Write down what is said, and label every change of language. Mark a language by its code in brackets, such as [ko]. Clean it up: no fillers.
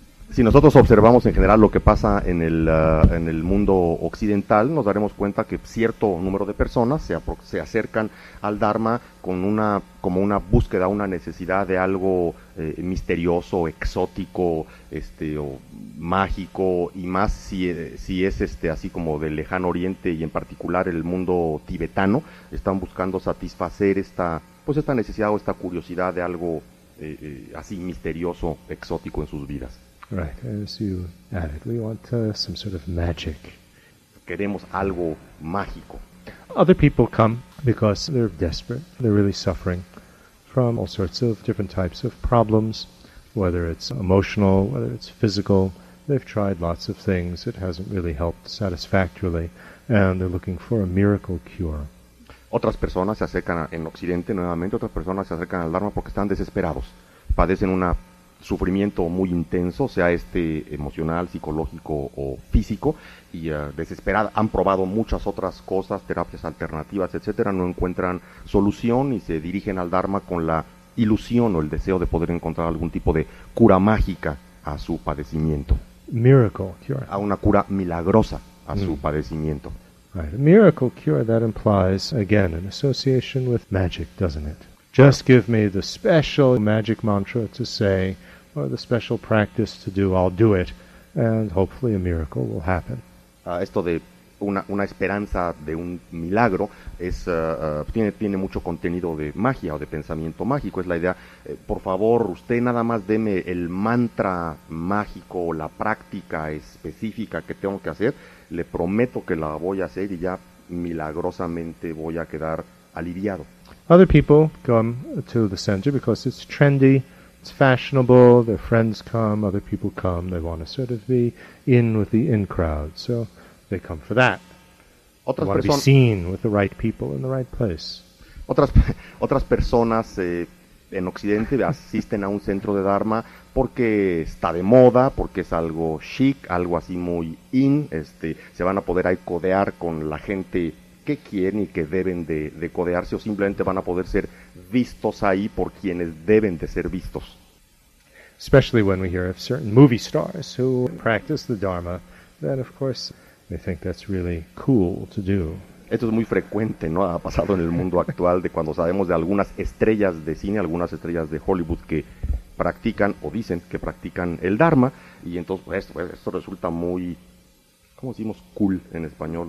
[es] Si nosotros observamos en general lo que pasa en el mundo occidental, nos daremos cuenta que cierto número de personas se acercan al Dharma con una como una búsqueda, una necesidad de algo misterioso, exótico, o mágico, y más si es así como del lejano oriente y en particular el mundo tibetano, están buscando satisfacer esta necesidad o esta curiosidad de algo así misterioso, exótico en sus vidas. [en] Right, as you added, we want some sort of magic. [es] Queremos algo mágico. [en] Other people come because they're desperate. They're really suffering from all sorts of different types of problems, whether it's emotional, whether it's physical. They've tried lots of things. It hasn't really helped satisfactorily, and they're looking for a miracle cure. [es] Otras personas se acercan en Occidente nuevamente, otras personas se acercan al Dharma porque están desesperados, padecen un sufrimiento muy intenso, sea emocional, psicológico o físico, y desesperados, han probado muchas otras cosas, terapias alternativas, etcétera, no encuentran solución y se dirigen al Dharma con la ilusión o el deseo de poder encontrar algún tipo de cura mágica a su padecimiento. [en] Miracle cure. [es] A una cura milagrosa a su padecimiento. [en] Right. A miracle cure, that implies, again, an association with magic, doesn't it? Just give me the special magic mantra to say, or the special practice to do, I'll do it, and hopefully a miracle will happen. [es] Esto de una esperanza de un milagro es tiene mucho contenido de magia o de pensamiento mágico. Es la idea, por favor, usted nada más deme el mantra mágico o la práctica específica que tengo que hacer, le prometo que la voy a hacer y ya milagrosamente voy a quedar aliviado. [en] Other people come to the center because it's trendy, it's fashionable, their friends come, other people come, they want to sort of be in with the in crowd, so they come for that. [es] Otras [en] they want to be seen with the right people in the right place. [es] Otras personas en Occidente asisten a un centro de Dharma porque está de moda, porque es algo chic, algo así muy in, se van a poder ahí codear con la gente que quieren y que deben de codearse, o simplemente van a poder ser vistos ahí por quienes deben de ser vistos. [en] Especially when we hear of certain movie stars who practice the Dharma, then of course they think that's really cool to do. [es] Esto es muy frecuente, ¿no? Ha pasado en el mundo actual de cuando sabemos de algunas estrellas de cine, algunas estrellas de Hollywood que practican o dicen que practican el Dharma, y entonces esto resulta muy, ¿cómo decimos cool en español?